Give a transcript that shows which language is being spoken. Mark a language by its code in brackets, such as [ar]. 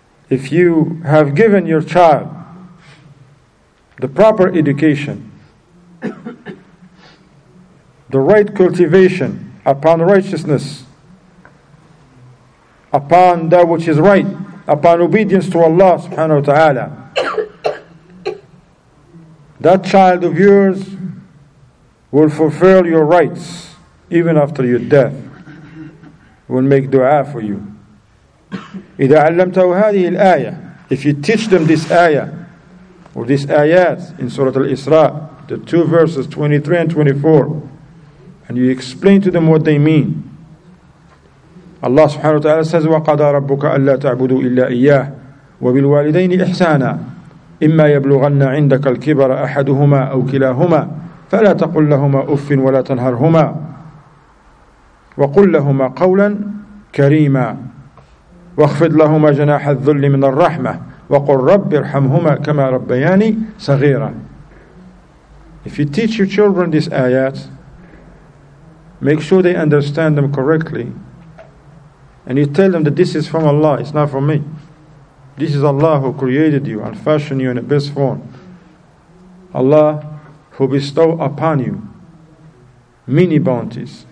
[en] If you have given your child the proper education, the right cultivation upon righteousness, upon that which is right, upon obedience to Allah subhanahu wa ta'ala, that child of yours will fulfill your rights even after your death, will make dua for you. [ar] إِذَا عَلَّمْتَهُ هَذِهِ الْآيَةِ, [en] if you teach them this ayah, or this ayat in Surah Al-Isra, the two verses 23 and 24, and you explain to them what they mean. [ar] Allah subhanahu wa ta'ala says, وَقَدَى رَبُّكَ أَلَّا تَعْبُدُوا إِلَّا إِيَّاهِ وَبِالْوَالِدَيْنِ إِحْسَانًا إِمَّا يَبْلُغَنَّ عِنْدَكَ الْكِبَرَ أَحَدُهُمَا أَوْ كِلَاهُمَا فَلَا تَقُلْ لَهُمَا أُفٍ وَلَا تَنْهَرْهُمَا وَقُلْ لَهُمَا قَوْلًا كَرِيمًا وَاخْفِضْ لَهُمَا جَنَاحَ الذُّلِّ مِنَ الرَّحْمَةِ وَقُلْ رَبِّ ارْحَمْهُمَا كَمَا رَبَّيَانِي صَغِيرًا. [en] If you teach your children these ayat, make sure they understand them correctly, and you tell them that this is from Allah, it's not from me. This is Allah who created you and fashioned you in the best form. Allah who bestowed upon you many bounties.